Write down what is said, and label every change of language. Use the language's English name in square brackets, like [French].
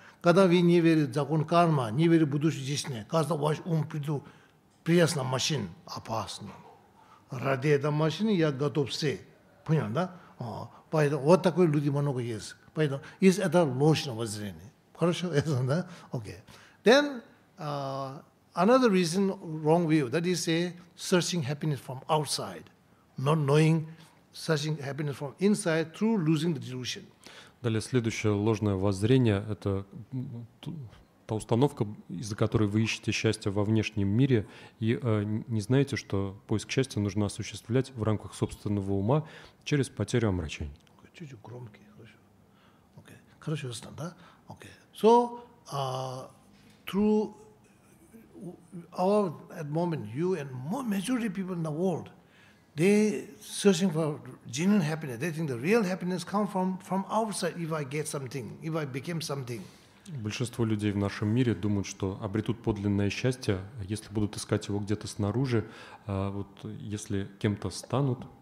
[Russian] Когда вы не верите в закон карма, не верите в будущее жизни, когда ваш ум придет, приезд на машин опасно. Ради этой машины я готов все. Понял, да? Поэтому вот такой люди много есть. Поэтому есть это ложное воззрение. Хорошо, это, да? Окей. [English] Then, another reason, wrong view, that is a searching happiness from outside, not knowing searching happiness from inside through losing the delusion. [Russian] Далее, следующее ложное воззрение, это та установка, из-за которой вы ищете счастье во внешнем мире и не знаете, что поиск счастья нужно осуществлять в рамках собственного ума через потерю омрачений. Чуть-чуть громкий, хорошо. Окей. Хорошо, ясно, да? Окей. So, [English] through our at the moment, you and more majority of people in the world, they searching for genuine happiness. They think the real happiness comes from outside, if I get something, if I became something. [Russian] Большинство людей в нашем мире думают, что обретут подлинное счастье, если будут искать его где-то снаружи, а вот если кем-то станут.